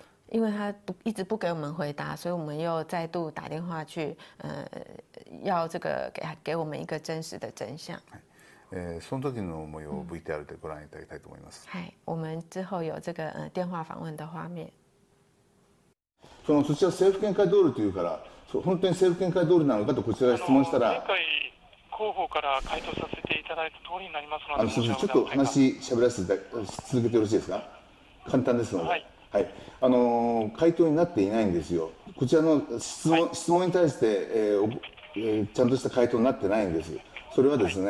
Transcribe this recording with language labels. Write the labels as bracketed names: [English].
[Chinese] 因为他一直不给我们回答，所以我们又再度打电话去，要这个给我们一个真实的真相。 [Japanese] その時の模様を VTR でご覧いただきたいと思います。 [Chinese] はい、我们之后有这个电话访问的画面。 [Japanese] その土地は政府見解通りというから、本当に政府見解通りなのかとこちらが質問したら、前回広報から回答させていただいた通りになりますので、先生ちょっと話しゃべらせて続けてよろしいですか。簡単ですので、はい、はい、回答になっていないんですよ。こちらの質問に対して、ちゃんとした回答になってないんです。それはですね。